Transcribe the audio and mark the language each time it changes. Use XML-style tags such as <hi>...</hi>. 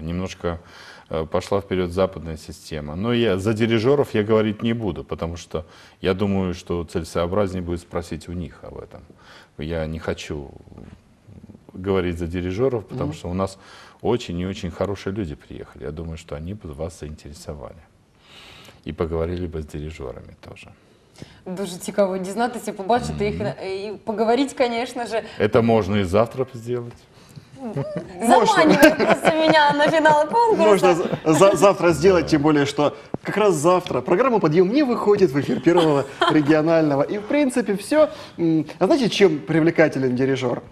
<ru>Немножко пошла вперед западная система. Но я за дирижеров я говорить не буду, потому что я думаю, что целесообразнее будет спросить у них об этом. Я не хочу... говорить за дирижеров, потому что у нас очень и очень хорошие люди приехали. Я думаю, что они бы вас заинтересовали. И поговорили бы с дирижерами тоже.</ru> <uk>Дуже цікаво дізнатися, побачити їх і поговорити, звісно ж.</uk> <ru>Это можно и завтра сделать. Заманивайте меня на финал конкурса. Можно завтра сделать, тем более, что как раз завтра программа «Подъем» не выходит в эфир Первого регионального. И, в принципе, все. А знаете, чем привлекателен дирижер?</ru>